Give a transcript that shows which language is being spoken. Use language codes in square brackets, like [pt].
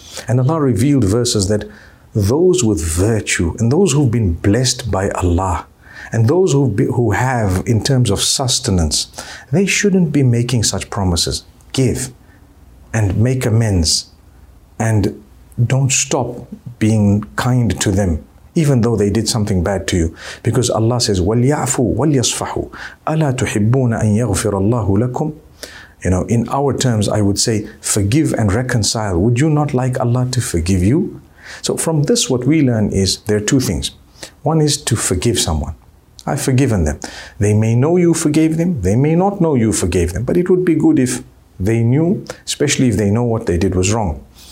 [en] And Allah revealed verses that those with virtue and those who've been blessed by Allah and those who have in terms of sustenance, they shouldn't be making such promises. Give and make amends and don't stop being kind to them, even though they did something bad to you. Because Allah says, [ar] وَلْيَعْفُوا وَلْيَصْفَحُوا أَلَا تُحِبُّونَ أَنْ يَغْفِرَ اللَّهُ لَكُمْ. [en] You know, in our terms, I would say, forgive and reconcile. Would you not like Allah to forgive you? So from this, what we learn is there are two things. One is to forgive someone. I've forgiven them. They may know you forgave them. They may not know you forgave them. But it would be good if they knew, especially if they know what they did was wrong.